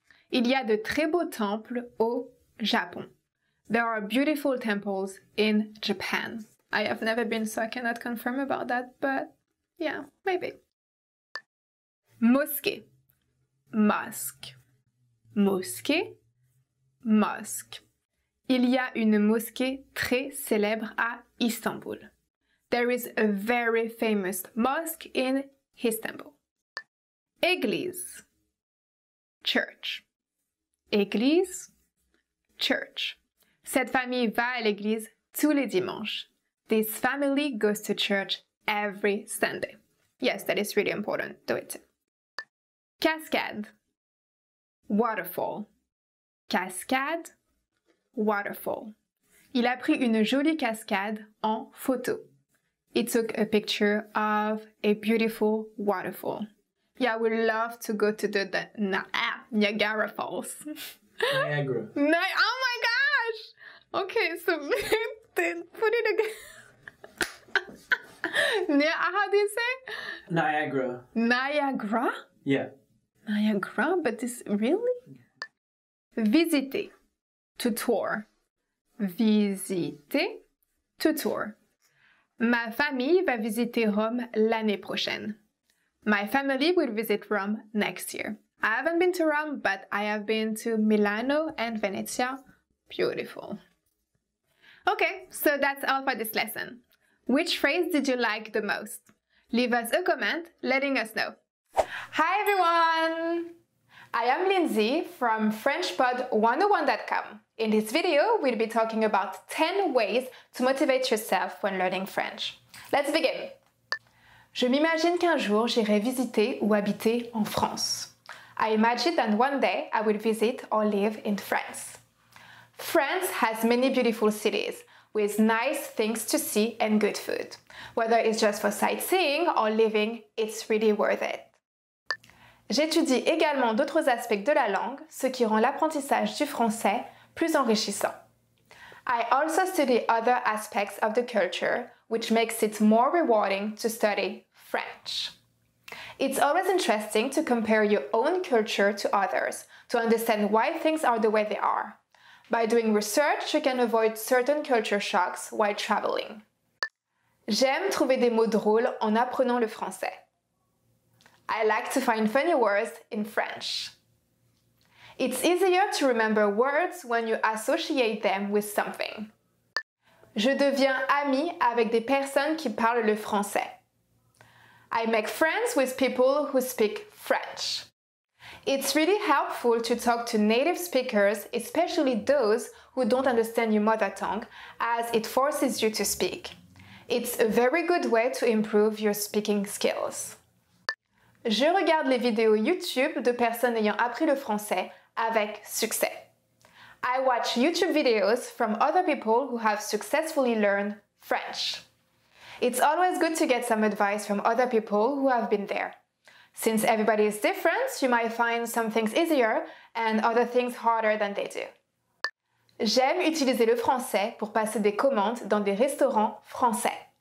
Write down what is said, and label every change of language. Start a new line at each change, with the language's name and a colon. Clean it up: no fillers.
French: Il y a de très beaux temples au Japon.
English: There are beautiful temples in Japan. I have never been, so I cannot confirm about that, but yeah, maybe. Mosquée. Mosque. Mosquée. Mosque.
French: Il y a une mosquée très célèbre à Istanbul.
English: There is a very famous mosque in Istanbul. Église. Church. Église. Church.
French: Cette famille va à l'église tous les dimanches.
English: This family goes to church every Sunday. Yes, that is really important. Do it too. Cascade. Waterfall. Cascade. Waterfall.
French: Il a pris une jolie cascade en photo.
English: He took a picture of a beautiful waterfall. Yeah, I would love to go to Niagara Falls. Niagara. Oh my gosh! Okay, so put it again. How do you say? Niagara. Niagara? Yeah. Niagara, but this really? Visiter. To tour.
French: Visiter.
English: To tour.
French: Ma famille va visiter Rome l'année prochaine.
English: My family will visit Rome next year. I haven't been to Rome, but I have been to Milano and Venezia. Beautiful. Okay, so that's all for this lesson. Which phrase did you like the most? Leave us a comment letting us know. Hi everyone! I am Lindsay from FrenchPod101.com. In this video, we'll be talking about 10 ways to motivate yourself when learning French. Let's begin!
French: Je m'imagine qu'un jour j'irai visiter ou habiter en France.
English: I imagine that one day I will visit or live in France. France has many beautiful cities with nice things to see and good food. Whether it's just for sightseeing or living, it's really worth it.
French: J'étudie également d'autres aspects de la langue, ce qui rend l'apprentissage du français plus enrichissant.
English: I also study other aspects of the culture, which makes it more rewarding to study French. It's always interesting to compare your own culture to others, to understand why things are the way they are. By doing research, you can avoid certain culture shocks while traveling.
French: J'aime trouver des mots drôles en apprenant le français.
English: I like to find funny words in French. It's easier to remember words when you associate them with something.
French: Je deviens ami avec des personnes qui parlent le français.
English: I make friends with people who speak French. It's really helpful to talk to native speakers, especially those who don't understand your mother tongue, as it forces you to speak. It's a very good way to improve your speaking skills.
French: Je regarde les vidéos YouTube de personnes ayant appris le français avec succès.
English: I watch YouTube videos from other people who have successfully learned French. It's always good to get some advice from other people who have been there. Since everybody is different, you might find some things easier and other things harder than they do.
French: J'aime utiliser le français pour passer des commandes dans des restaurants français.